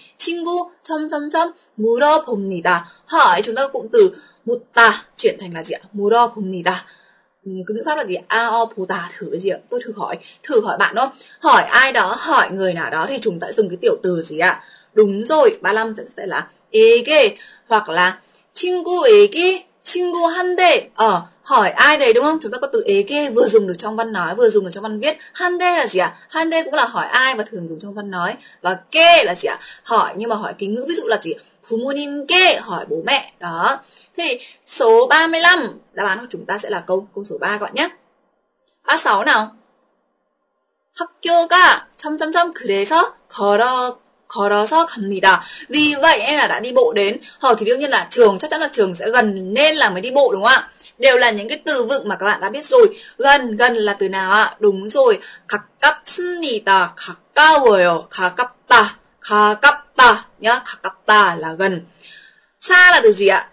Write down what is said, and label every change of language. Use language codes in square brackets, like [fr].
[ko] 친구 점점점 물어봅니다. [vi] Hỏi chúng ta có cụm từ 묻다 chuyển thành là gì ạ? 물어봅니다. Cái ngữ pháp là gì? Ao bồ tà thử gì ạ? Tôi thử hỏi bạn đó. Hỏi ai đó, hỏi người nào đó thì chúng ta dùng cái tiểu từ gì ạ? Đúng rồi, 35 sẽ là 에게 hoặc là [ko] 친구에게 친구한테 [vi] hỏi ai đấy đúng không? Chúng ta có từ 에게 vừa dùng được trong văn nói, vừa dùng được trong văn viết. 한테 là gì ạ? 한테 cũng là hỏi ai và thường dùng trong văn nói. Và 게 là gì ạ? Hỏi nhưng mà hỏi kính ngữ, ví dụ là gì? 부모님께 hỏi bố mẹ. Đó. Thì số 35 đáp án của chúng ta sẽ là câu số 3 các bạn nhé. 36 nào. [ko] 학교가 점점점 그래서 걸어서 갑니다. [vi] Vì vậy nên là đã đi bộ đến. Hỏi thì đương nhiên là trường, chắc chắn là trường sẽ gần nên là mới đi bộ đúng không ạ? Đều là những cái từ vựng mà các bạn đã biết rồi. Gần, gần là từ nào ạ? Đúng rồi. 가깝습니다. [ko] 가까워요. 가깝다. 가깝다. [vi] Nhá, 가깝다 là gần. Xa là từ gì ạ?